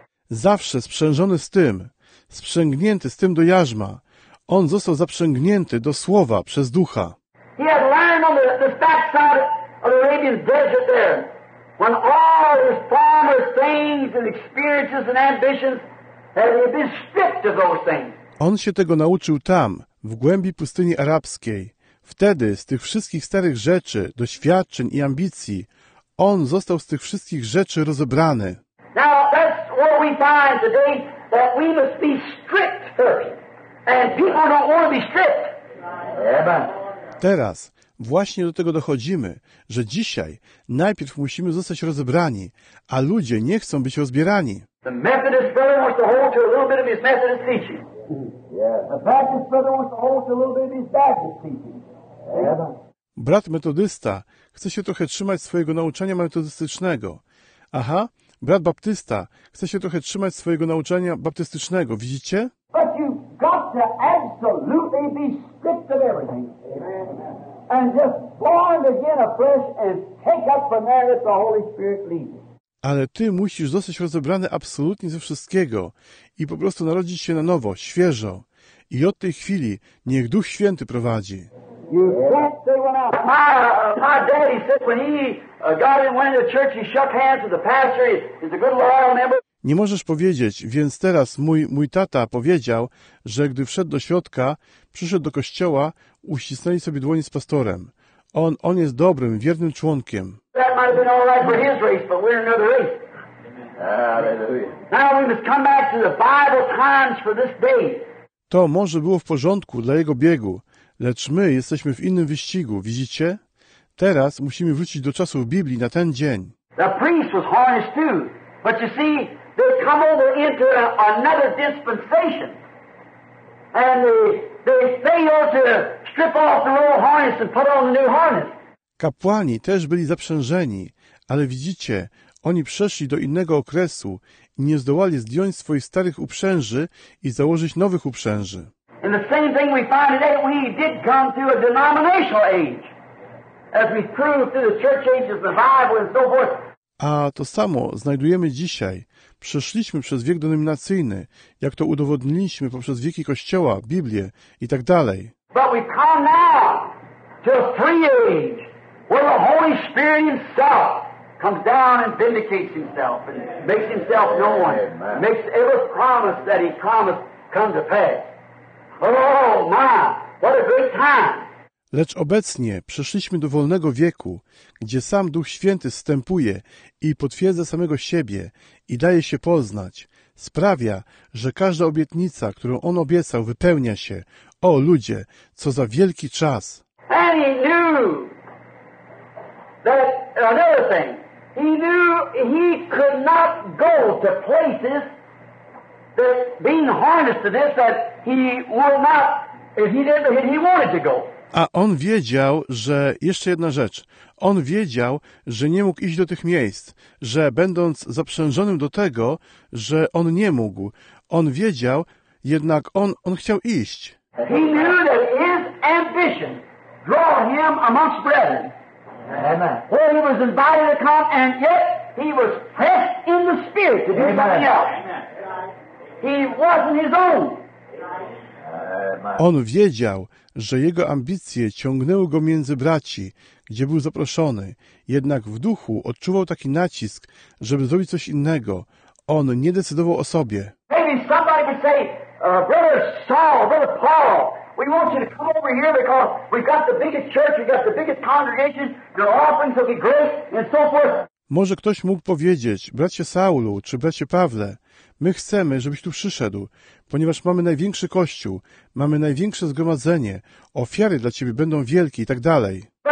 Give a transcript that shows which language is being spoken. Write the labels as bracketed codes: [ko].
[pl] Zawsze sprzężony z tym. Sprzęgnięty z tym do jarzma. On został zaprzęgnięty do Słowa przez Ducha. [en] He had land on the back side of the Arabian desert there, when all his former things and experiences and ambitions had been stripped of those things. [pl] On się tego nauczył tam, w głębi pustyni arabskiej. Wtedy z tych wszystkich starych rzeczy, doświadczeń i ambicji, on został z tych wszystkich rzeczy rozebrany. [en] Now that's what we find today, that we must be stripped first. And people don't want to be stripped. Amen. [pl] Teraz właśnie do tego dochodzimy, że dzisiaj najpierw musimy zostać rozebrani, a ludzie nie chcą być rozbierani. [en] The Methodist brother wants to hold to a little bit of his Methodist teaching. Yeah. The Baptist brother wants to hold to a little bit of his Baptist teaching. Yeah. [pl] Brat metodysta chce się trochę trzymać swojego nauczania metodystycznego. Aha, brat baptysta chce się trochę trzymać swojego nauczania baptystycznego, widzicie? [en] But you've got to absolutely be stripped of everything. And just born again afresh and take up from there that the Holy Spirit leads. [pl] Ale ty musisz zostać rozebrany absolutnie ze wszystkiego i po prostu narodzić się na nowo, świeżo. I od tej chwili niech Duch Święty prowadzi. [en] You can't say when I... My daddy said when he got in, went into church, he shook hands with the pastor. He's a good loyal member. [pl] Nie możesz powiedzieć, więc teraz mój tata powiedział, że gdy wszedł do środka, przyszedł do kościoła, uścisnęli sobie dłonie z pastorem. On jest dobrym, wiernym członkiem. [en] That might have been all right for his race, but we're another race. Hallelujah. Now we must come back to the Bible times for this day. [pl] To może było w porządku dla jego biegu, lecz my jesteśmy w innym wyścigu, widzicie? Teraz musimy wrócić do czasów Biblii na ten dzień. [en] The priest was harnessed too, but you see, they come over into another dispensation, and they ought to strip off the old harness and put on the new harness. [pl] Kapłani też byli zaprzężeni, ale widzicie, oni przeszli do innego okresu i nie zdołali zdjąć swoich starych uprzęży i założyć nowych uprzęży. [en] And the same thing we find today, we did come through a denominational age, as we proved through the church ages, the Bible and so forth. [pl] A to samo znajdujemy dzisiaj. Przeszliśmy przez wiek denominacyjny, jak to udowodniliśmy poprzez wieki Kościoła, Biblię i tak dalej. [en] But we come now to a free age, where the Holy Spirit himself comes down and vindicates himself and makes himself known, makes every promise that he promised come to pass. Oh my, what a great time! [pl] Lecz obecnie przeszliśmy do wolnego wieku, gdzie sam Duch Święty wstępuje i potwierdza samego siebie i daje się poznać. Sprawia, że każda obietnica, którą On obiecał, wypełnia się. O ludzie, co za wielki czas! [en] And he knew that another thing. He knew he could not go to places that being harnessed to this that he would not if he didn't if he wanted to go. [pl] A on wiedział, że... Jeszcze jedna rzecz. On wiedział, że nie mógł iść do tych miejsc, że będąc zaprzężonym do tego, że on nie mógł. On wiedział, jednak on chciał iść. [en] He knew that his ambition draw him amongst brethren. Amen. Well, he was invited to come, and yet he was pressed in the spirit to do something else. He wasn't his own. [pl] On wiedział, że jego ambicje ciągnęły go między braci, gdzie był zaproszony. Jednak w duchu odczuwał taki nacisk, żeby zrobić coś innego. On nie decydował o sobie. [en] Maybe somebody could say, Brother Saul, Brother Paul, we want you to come over here because we've got the biggest church, we've got the biggest congregation, your offerings will be great, and so forth. [pl] Może ktoś mógł powiedzieć, bracie Saulu, czy bracie Pawle, my chcemy, żebyś tu przyszedł, ponieważ mamy największy kościół, mamy największe zgromadzenie, ofiary dla ciebie będą wielkie i tak dalej.